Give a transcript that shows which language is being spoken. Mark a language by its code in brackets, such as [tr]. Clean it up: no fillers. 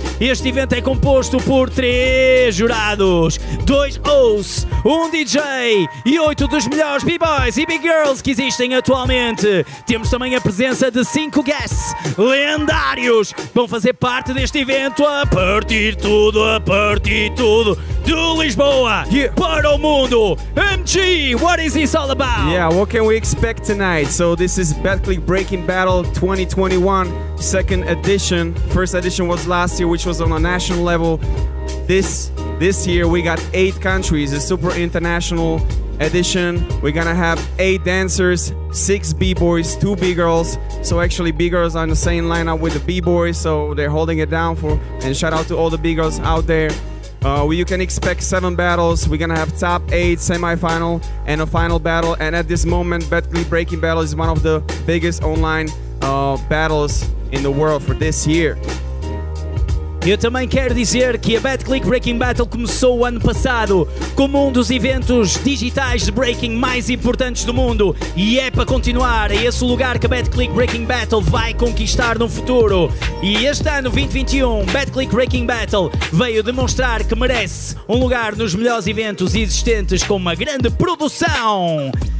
[pt] Este evento é composto por 3 jurados, 2 hosts, 1 DJ e 8 dos melhores B-Boys e B-Girls que existem atualmente. Temos também a presença de 5 guests lendários que vão fazer parte deste evento a partir tudo de Lisboa para o mundo. [en] MG, what is this all about? Yeah, what can we expect tonight? So this is Betclic Breaking Battle 2021, second edition. First edition was last year, which was on a national level. This year we got 8 countries, a super international edition. We're gonna have 8 dancers, 6 b-boys, 2 b-girls. So actually b-girls are in the same lineup with the b-boys, so they're holding it down for, and shout out to all the b-girls out there. You can expect 7 battles. We're gonna have top 8, semi-final, and a final battle. And at this moment, Betclic Breaking Battle is one of the biggest online battles in the world for this year. [pt] Eu também quero dizer que a Betclic Breaking Battle começou o ano passado como um dos eventos digitais de breaking mais importantes do mundo, e é para continuar, é esse o lugar que a Betclic Breaking Battle vai conquistar no futuro. E este ano 2021, Betclic Breaking Battle veio demonstrar que merece um lugar nos melhores eventos existentes com uma grande produção.